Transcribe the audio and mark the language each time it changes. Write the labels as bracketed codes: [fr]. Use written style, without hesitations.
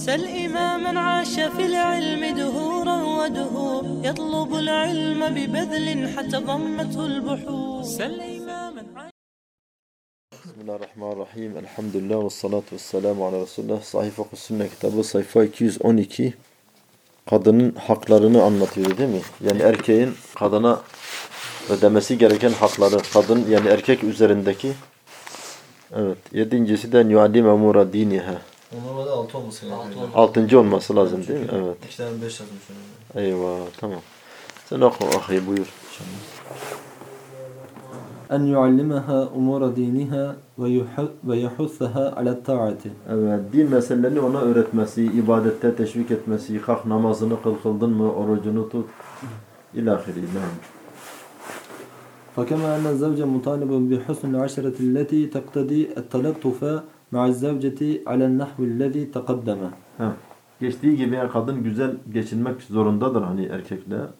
[ar] سل إماما عاش في العلم دهورا ودهور يطلب العلم ببذل حتى ضمته البحور. سل بسم الله الرحمن الرحيم الحمد لله والصلاة والسلام على رسول الله. صحيفة السنة كتابه صحيفة [tr] 212 kadının haklarını anlatıyor değil mi? Yani erkeğin kadına ödemesi gereken hakları, kadın yani erkek üzerindeki. Evet, yedincisi de [ar] yu'allimu umura diniha. [tr] Onlara da 6 olması lazım. 6. olması lazım değil mi? Evet. 2'den 5 lazım şöyle. Eyvah, tamam. Sen oku ahi buyur. [ar] أن يعلمها أمور دينها ويحثها على الطاعة. [tr] Evet, din meselelerini ona öğretmesi, ibadette teşvik etmesi, kalk namazını kıl, kıldın mı, orucunu tut, ilahiri. [ar] فكما أن الزوج مطالب بحسن العشرة التي تقتضي التلطف مع الزوجة على النحو الذي تقدم. [tr] Geçtiği gibi yani kadın güzel geçinmek zorundadır hani erkekle.